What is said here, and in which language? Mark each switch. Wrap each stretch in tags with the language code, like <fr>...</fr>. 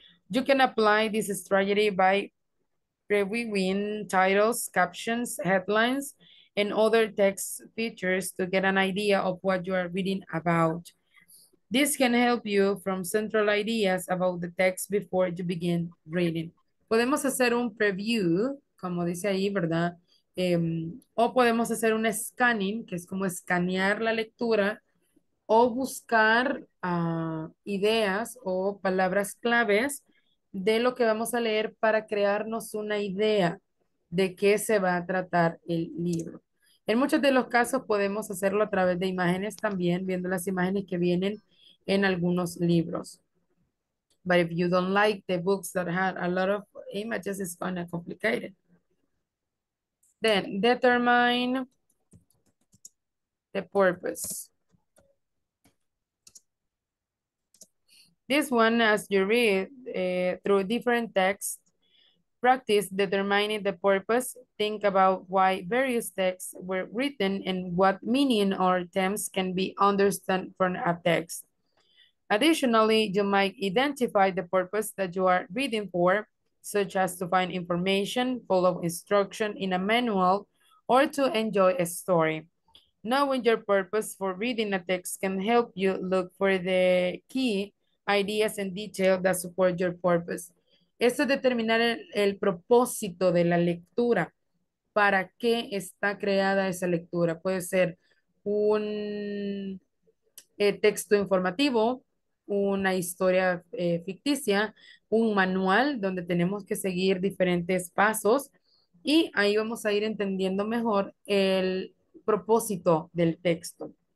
<en>You can apply this strategy by reviewing titles, captions, headlines, and other text features to get an idea of what you are reading about. This can help you from central ideas about the text before you begin reading.</en> <es>Podemos hacer un preview, como dice ahí, ¿verdad? O podemos hacer un scanning, que es como escanear la lectura, o buscar ideas o palabras claves de lo que vamos a leer para crearnos una idea de qué se va a tratar el libro. En muchos de los casos podemos hacerlo a través de imágenes también, viendo las imágenes que vienen en algunos libros.</es> <en>But if you don't like the books that have a lot of images, it's kind of complicated. Then, determine the purpose. This one, as you read through different texts, practice determining the purpose. Think about why various texts were written and what meaning or terms can be understood from a text. Additionally, you might identify the purpose that you are reading for, such as to find information, follow instruction in a manual, or to enjoy a story. Knowing your purpose for reading a text can help you look for the key ideas and details that support your purpose.</en> <es>Eso es determinar el propósito de la lectura. ¿Para qué está creada esa lectura? Puede ser un texto informativo, una historia ficticia, un manual donde tenemos que seguir diferentes pasos y ahí vamos a ir entendiendo mejor el propósito del texto.</es>